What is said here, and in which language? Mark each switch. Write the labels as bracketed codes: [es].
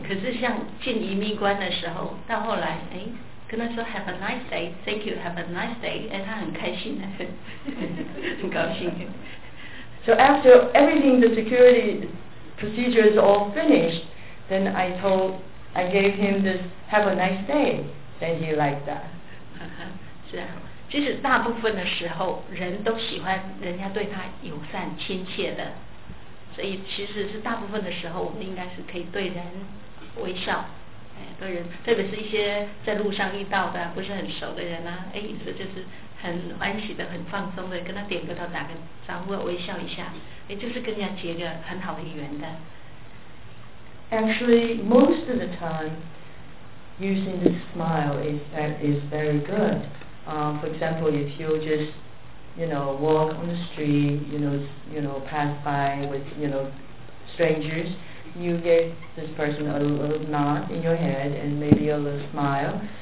[zh] 可是像进移民关的时候，到后来，跟他说 [en] have a nice day, [zh] thank you, have a nice day, 他很开心的，很高兴。 [en] So after everything, the security procedure is all finished, then I gave him this have a nice day, then he liked that. [zh] 是啊，其实大部分的时候，人都喜欢人家对他友善亲切的，所以其实是大部分的时候，我们应该是可以对人微笑。对人，特别是一些在路上遇到的不是很熟的人啊，这就是很欢喜的、很放松的，跟他点个头、打个招呼、微笑一下，就是跟人家结个很好的缘的。 [en] Actually, most of the time, using the smile is very good. For example, if you just, you know, walk on the street, you know, pass by with, you know, strangers. You give this person a little nod in your head and maybe a little smile.